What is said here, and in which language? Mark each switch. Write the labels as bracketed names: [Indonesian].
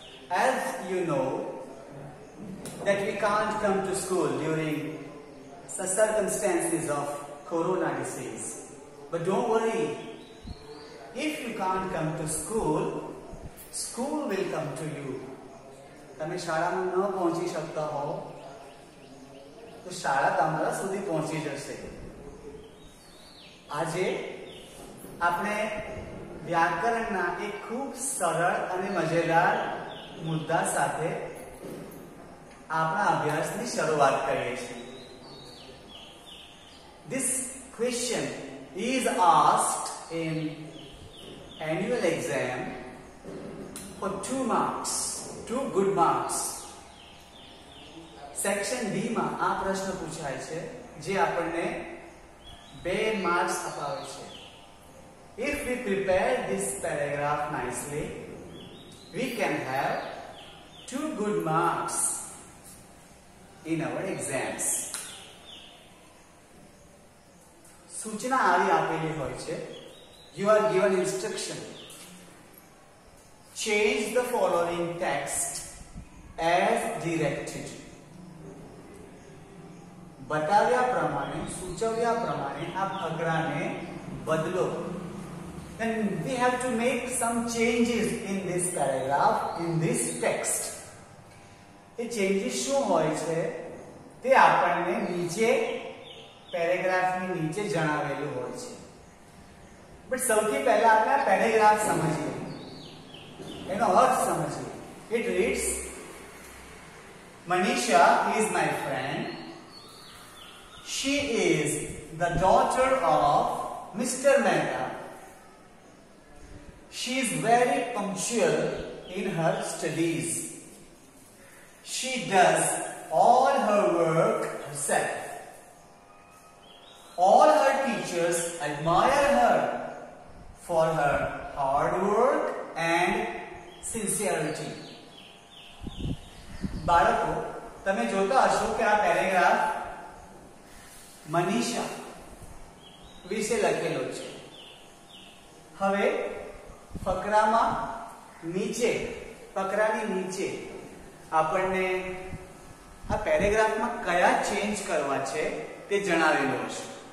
[English] As you know, that we can't come to school during the circumstances of Corona disease. But don't worry, if you can't come to school, school will come to you. [Gujarati] તમે શાળામાં ન પહોંચી શકતા હો તો શાળા તમારા સુધી પહોંચી જશે. આજે આપણે વ્યાકરણના એક ખૂબ સરળ અને મજેદાર મુદ્દા સાથે આપણા અભ્યાસની શરૂઆત કરીએ છીએ. [English] This question is asked in annual exam for 2 marks, 2 good marks. [Gujarati] Section B માં આ પ્રશ્ન પૂછાય છે જે આપણને 2 marks અપાવે છે. [English] If we prepare this paragraph nicely, we can have 2 good marks in our exams. [Gujarati] સૂચના આવી આપેલી હોય છે. [English] You are given instruction. Change the following text as directed. [Gujarati] બતાવ્યા પ્રમાણે, સૂચવ્યા પ્રમાણે આ ફકરાને બદલો. [English] Then we have to make some changes in this paragraph, in this text. [Gujarati] A changes શું હોય છે તે આપણને નીચે પેરેગ્રાફની નીચે જણાવેલું હોય છે. બટ સૌથી પહેલા આપણે પેરેગ્રાફ સમજીએ, એનો અર્થ સમજીએ. [English] It reads, Manisha is my friend, she is the daughter of mister Mehta, she is very punctual in her studies, she does all her work herself. All her teachers admire her for her hard work and sincerity. [Gujarati] બાળકો, તમે જોતા હશો કે આ paragraph Manisha વિશે લખેલો છે. હવે ફકરામાં નીચે, ફકરાની નીચે આપણને આ પેરેગ્રાફમાં કયા ચેન્જ કરવા છે તે જણાવેલો હશે.